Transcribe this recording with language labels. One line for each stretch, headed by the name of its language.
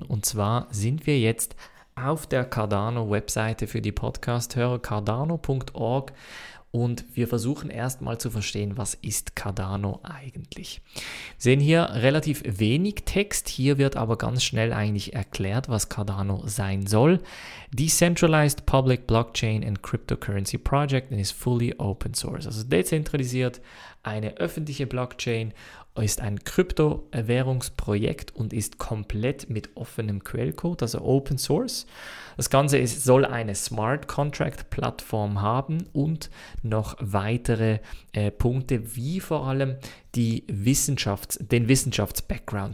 German: Und zwar sind wir jetzt auf der Cardano-Webseite für die Podcast-Hörer, cardano.org. Und wir versuchen erstmal zu verstehen, was ist Cardano eigentlich. Wir sehen hier relativ wenig Text, hier wird aber ganz schnell eigentlich erklärt, was Cardano sein soll.
English: Decentralized Public Blockchain and Cryptocurrency Project and is fully open source.
German: Also dezentralisiert, eine öffentliche Blockchain, ist ein Kryptowährungsprojekt und ist komplett mit offenem Quellcode, also Open Source. Das Ganze soll eine Smart Contract Plattform haben und noch weitere Punkte, wie vor allem den Wissenschafts-Background.